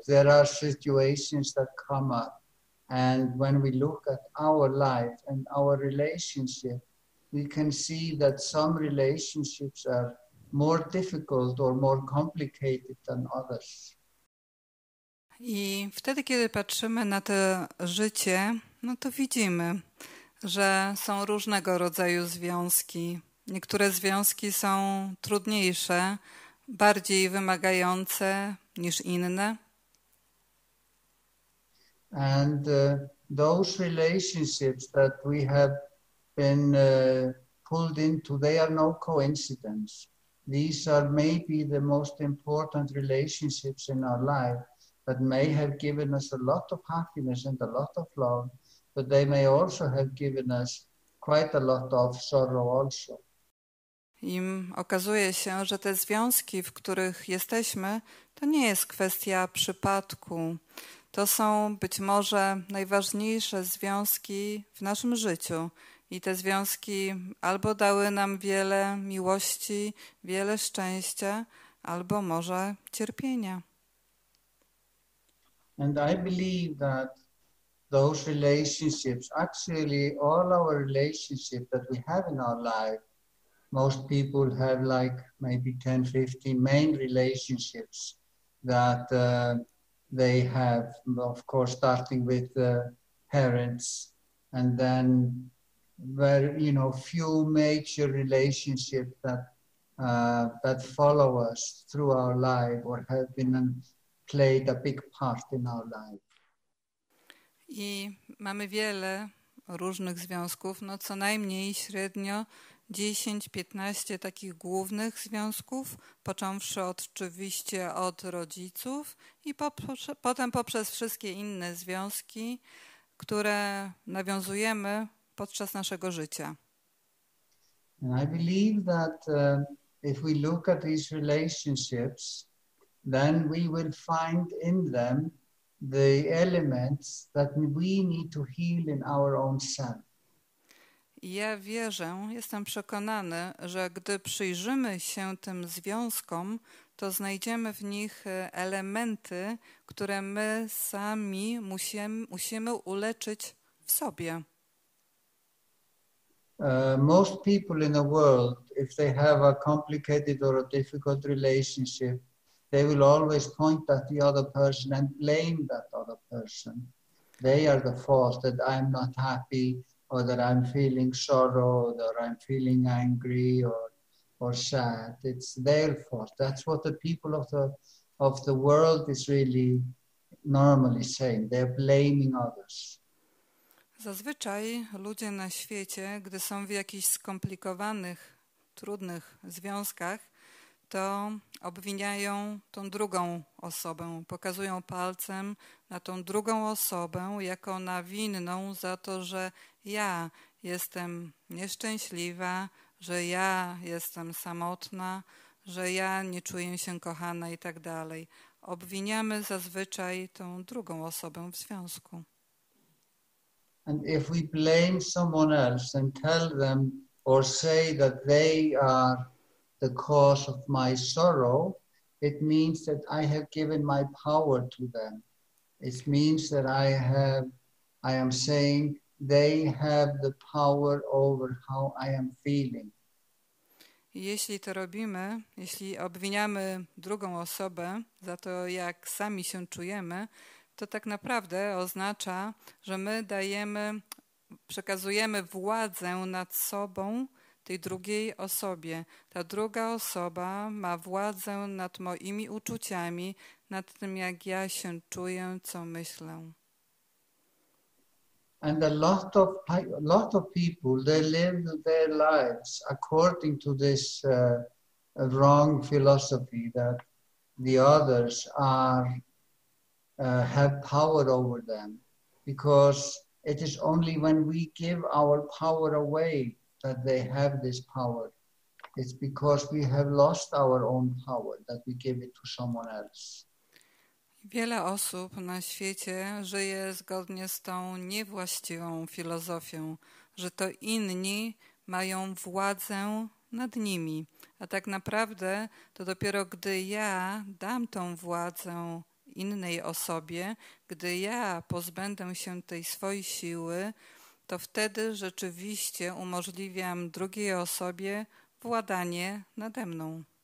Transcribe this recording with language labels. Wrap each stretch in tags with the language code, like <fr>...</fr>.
<en>There are situations that come up. And when we look at our life and our relationship, we can see that some relationships are more difficult or more complicated than others.</en> <pl>I wtedy, kiedy patrzymy na to życie, no to widzimy, że są różnego rodzaju związki. Niektóre związki są trudniejsze, bardziej wymagające niż inne.</pl> <en>And those relationships that we have been pulled into, they are no coincidence. These are maybe the most important relationships in our life that may have given us a lot of happiness and a lot of love, but they may also have given us quite a lot of sorrow also.</en> <pl>Im okazuje się, że te związki, w których jesteśmy, to nie jest kwestia przypadku. To są być może najważniejsze związki w naszym życiu. I te związki albo dały nam wiele miłości, wiele szczęścia, albo może cierpienia.</pl> <en>And I believe that those relationships, actually all our relationships that we have in our life, most people have like maybe 10, 15 main relationships that they have, of course, starting with parents, and then very, you know, few major relationships that that follow us through our life or have been played a big part in our life.</en> <pl>I mamy wiele różnych związków, no co najmniej średnio 10-15 takich głównych związków, począwszy oczywiście od rodziców i potem poprzez wszystkie inne związki, które nawiązujemy podczas naszego życia.</pl> <en>And I believe that if we look at these relationships, then we will find in them the elements that we need to heal in our own self.</en> <pl>Ja wierzę, jestem przekonany, że gdy przyjrzymy się tym związkom, to znajdziemy w nich elementy, które my sami musimy uleczyć w sobie.</pl> <en>Most people in the world, if they have a complicated or a difficult relationship, they will always point at the other person and blame that other person. They are the fault that I'm not happy, or that I'm feeling sorrow, or I'm feeling angry or sad. It's their fault. That's what the people of the world is really normally saying. They're blaming others.</en> <pl>Zazwyczaj ludzie na świecie, gdy są w jakichś skomplikowanych, trudnych związkach, to obwiniają tą drugą osobę, pokazują palcem na tą drugą osobę jako na winną za to, że ja jestem nieszczęśliwa, że ja jestem samotna, że ja nie czuję się kochana i tak dalej. Obwiniamy zazwyczaj tą drugą osobę w związku.</pl> <en>And if we blame someone else and tell them or say that they are the cause of my sorrow, it means that I have given my power to them. It means that I am saying they have the power over how I am feeling.</en> <pl>Jeśli to robimy, jeśli obwiniamy drugą osobę za to, jak sami się czujemy, to tak naprawdę oznacza, że my przekazujemy władzę nad sobą tej drugiej osobie. Ta druga osoba ma władzę nad moimi uczuciami, nad tym, jak ja się czuję, co myślę.</pl> <en>And a lot of people, they live their lives according to this wrong philosophy that the others have power over them, because it is only when we give our power away that they have this power. It's because we have lost our own power that we give it to someone else.</en> <pl>Wiele osób na świecie żyje zgodnie z tą niewłaściwą filozofią, że to inni mają władzę nad nimi. A tak naprawdę to dopiero gdy ja dam tą władzę innej osobie, gdy ja pozbędę się tej swojej siły, to wtedy rzeczywiście umożliwiam drugiej osobie władanie nade mną.</pl>